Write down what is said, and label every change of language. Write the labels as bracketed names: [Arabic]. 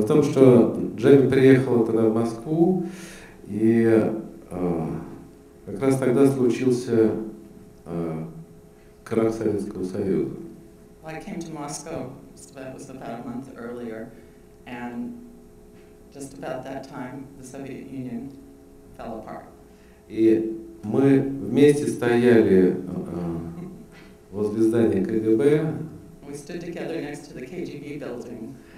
[Russian] Дело в том, что Джемми приехала тогда в Москву, и как раз тогда случился крах Советского Союза. [English] I came to Moscow, that was about a month earlier, and just about that time the Soviet Union fell apart. [Russian] И мы вместе стояли возле здания КГБ. [English] We stood together next to the KGB building.